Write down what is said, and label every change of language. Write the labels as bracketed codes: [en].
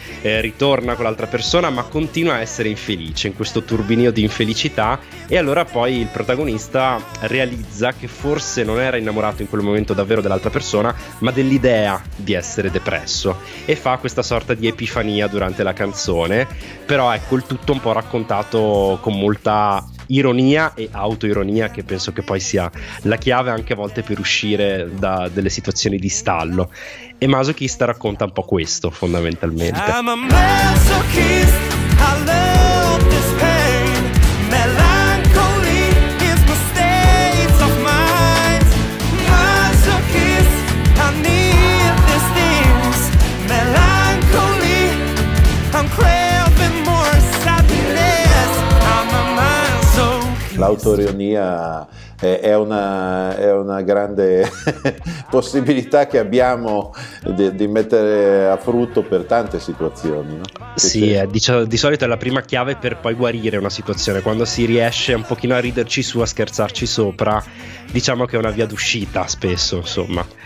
[it] ritorna con l'altra persona ma continua a essere infelice in questo turbinio di infelicità, e allora poi il protagonista realizza che forse non era innamorato in quel momento davvero dell'altra persona, ma dell'idea di essere depresso, e fa questa sorta di epifania durante la canzone. Però ecco, il tutto un po' raccontato con molta ironia e autoironia, che penso che poi sia la chiave anche a volte per uscire da delle situazioni di stallo. E Masochista racconta un po' questo, fondamentalmente. [en] I'm a masochist, I love this pain. Melancholy is my state of mind. Masochist, I need these things. Melancholy, I'm craving more sadness. I'm a masochist. [it] L'autoironia è una grande possibilità che abbiamo di mettere a frutto per tante situazioni, no? Sì, di solito è la prima chiave per poi guarire una situazione, quando si riesce un pochino a riderci su, a scherzarci sopra, diciamo che è una via d'uscita spesso, insomma.